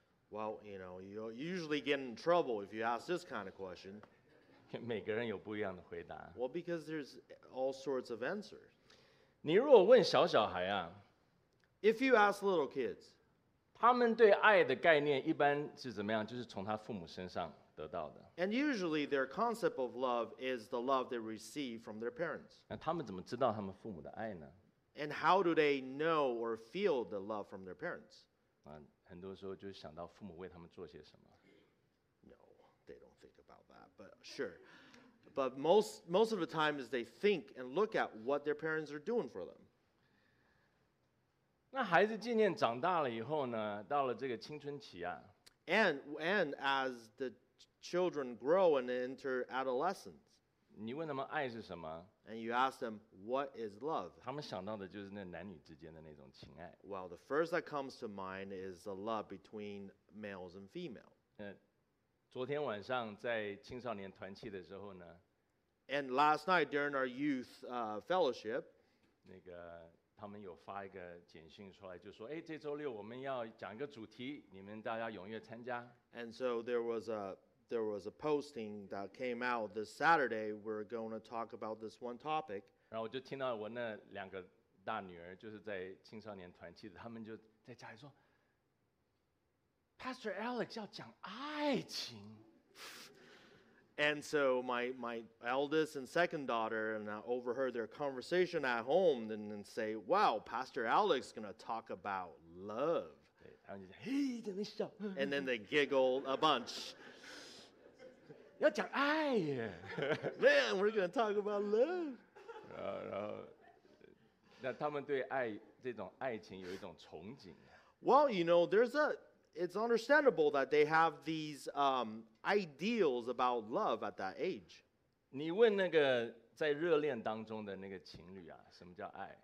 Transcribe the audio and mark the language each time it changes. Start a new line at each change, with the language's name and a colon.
English: Well, you know, you usually get in trouble if you ask this kind of question.
Chinese: 每个人有不一样的回答。
English: Well, because there's all sorts of answers.
Chinese: 你如果问小小孩啊，
English: If you ask little kids,
Chinese: 他们对爱的概念一般是怎么样？就是从他父母身上得到的。
English: And usually their concept of love is the love they receive from their parents.
Chinese: 那他们怎么知道他们父母的爱呢？
English: And how do they know or feel the love from their parents?
Chinese: 啊，很多时候就是想到父母为他们做些什么。
English: No, they don't think about that, but sure. But most of the time is they think and look at what their parents are doing for them.
Chinese: 那孩子渐渐长大了以后呢，到了这个青春期啊。
English: And as the children grow and enter adolescence.
Chinese: 你问他们爱是什么？
English: And you ask them, what is love?
Chinese: 他们想到的就是那男女之间的那种情爱。
English: Well, the first that comes to mind is the love between males and females.
Chinese: 昨天晚上在青少年团契的时候呢。
English: And last night during our youth fellowship.
Chinese: 那个他们有发一个简讯出来，就说，哎，这周六我们要讲一个主题，你们大家踊跃参加。
English: And so there was a posting that came out this Saturday. We're going to talk about this one topic.
Chinese: 然后我就听到我那两个大女儿就是在青少年团契的，他们就在家里说 ，Pastor Alex 要讲爱情。
English: And so my eldest and second daughter, and I overheard their conversation at home, and say, "Wow, Pastor Alex is going to talk about love."
Chinese: 对，他们就说，嘿，在那笑。
English: And then they giggle a bunch.
Chinese: 要讲爱耶
English: ，Man, we're going to talk about love.
Chinese: 然后，那他们对爱这种爱情有一种憧憬。
English: Well, you know, it's understandable that they have these ideals about love at that age.
Chinese: 你问那个在热恋当中的那个情侣啊，什么叫爱